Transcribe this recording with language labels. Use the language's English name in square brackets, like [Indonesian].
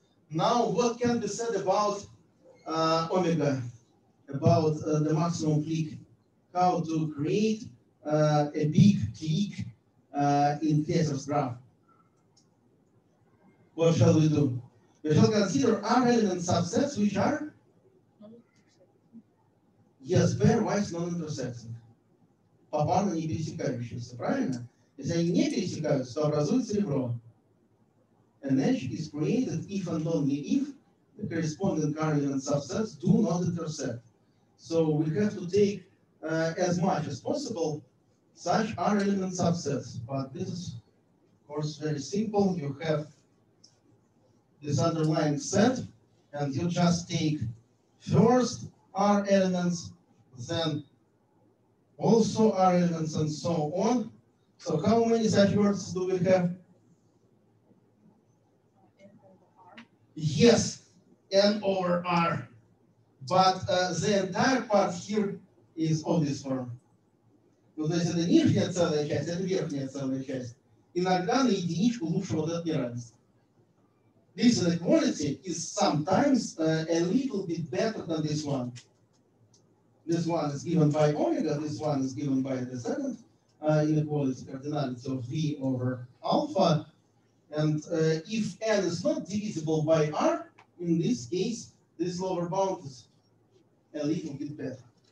[English] Now, what can be said about omega, about the maximum clique? How to create a big clique in case of graph? What shall we do? We shall consider R element subsets, which are? Yes, pairwise non-intersecting. [Russian] Попарно не пересекающиеся, правильно? Если они не пересекаются, то образуется ребро. [English] An edge is created if and only if the corresponding R element subsets do not intersect. So we have to take as much as possible such R element subsets. But this is, of course, very simple. You have this underlying set, and you just take first R elements, then also R elements, and so on. So how many such words do we have? Yes, N over R. But the entire part here is of this form. [Russian] Вот здесь это нижняя целая часть, это верхняя целая часть. Иногда на единичку лучше вот это не разница. [English] This inequality is sometimes a little bit better than this one. This one is given by omega, this one is given by the second inequality, cardinality of V over alpha. And if n is not divisible by r, in this case, this lower bound is a little bit better.